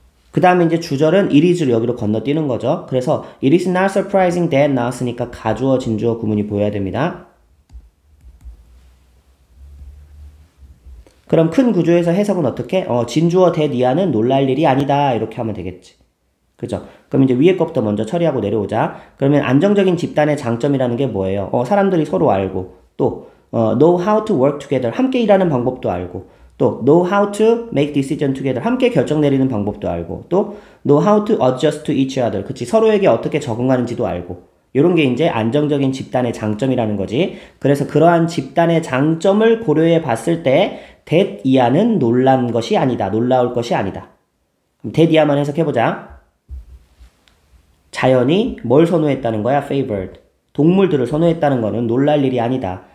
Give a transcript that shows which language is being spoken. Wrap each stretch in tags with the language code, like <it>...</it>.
<ko>그 다음에 이제 주절은 it is로 여기로 건너뛰는 거죠. 그래서</ko> <en>it is not surprising that</en> <ko>나왔으니까 가주어, 진주어 구문이 보여야 됩니다. 그럼 큰 구조에서 해석은 어떻게? 진주어 that 이하는 놀랄 일이 아니다. 이렇게 하면 되겠지. 그죠? 그럼 이제 위에 것부터 먼저 처리하고 내려오자. 그러면 안정적인 집단의 장점이라는 게 뭐예요? 사람들이 서로 알고, 또,</ko> <en>know how to work together.</en> <ko>함께 일하는 방법도 알고. 또,</ko> <en>know how to make decision together.</en> <ko>함께 결정 내리는 방법도 알고. 또,</ko> <en>know how to adjust to each other.</en> <ko>그치. 서로에게 어떻게 적응하는지도 알고. 요런 게 이제 안정적인 집단의 장점이라는 거지. 그래서 그러한 집단의 장점을 고려해 봤을 때, that 이하는 놀란 것이 아니다. 놀라울 것이 아니다. 그럼 that 이하만 해석해 보자. 자연이 뭘 선호했다는 거야? favored. 동물들을 선호했다는 거는 놀랄 일이 아니다.</ko>